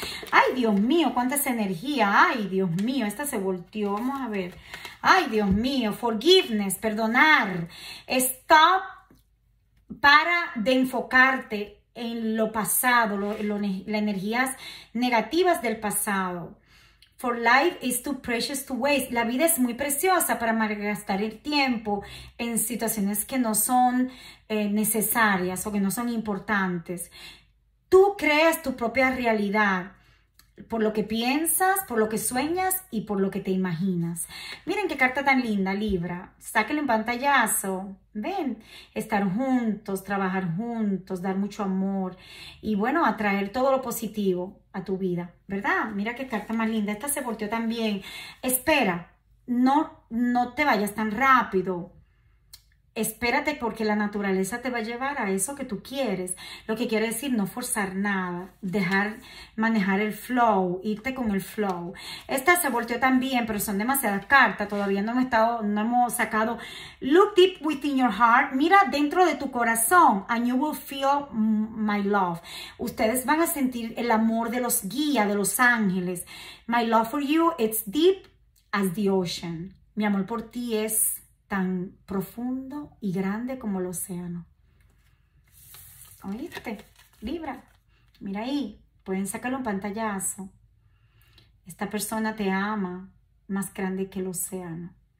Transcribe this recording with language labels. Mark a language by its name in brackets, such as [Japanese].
[Spanish] ¡Ay, Dios mío! ¡Cuánta es energía! ¡Ay, Dios mío! Esta se volteó. Vamos a ver. ¡Ay, Dios mío! [English] Forgiveness, perdonar. [Spanish] Stop para de enfocarte en lo pasado, las energías negativas del pasado. [English] For life is too precious to waste. [Spanish] La vida es muy preciosa para malgastar el tiempo en situaciones que no son necesarias o que no son importantes. Tú creas tu propia realidad por lo que piensas, por lo que sueñas y por lo que te imaginas. Miren qué carta tan linda, Libra. Sáquenle un pantallazo. Ven, estar juntos, trabajar juntos, dar mucho amor y bueno, atraer todo lo positivo a tu vida, ¿verdad? Mira qué carta más linda. Esta se volteó también. Espera, no te vayas tan rápido. Espérate porque la naturaleza te va a llevar a eso que tú quieres. Lo que quiere decir no forzar nada, dejar manejar el flow, irte con el flow. Esta se volteó también, pero son demasiadas cartas. Todavía no hemos sacado. [English] Look deep within your heart. [Spanish] Mira dentro de tu corazón. [English] And you will feel my love. [Spanish] Ustedes van a sentir el amor de los guías, de los ángeles. [English] My love for you, it's deep as the ocean. [Spanish] Mi amor por ti es tan profundo y grande como el océano. ¿Oíste? Libra, mira ahí, pueden sacarle un pantallazo. Esta persona te ama más grande que el océano.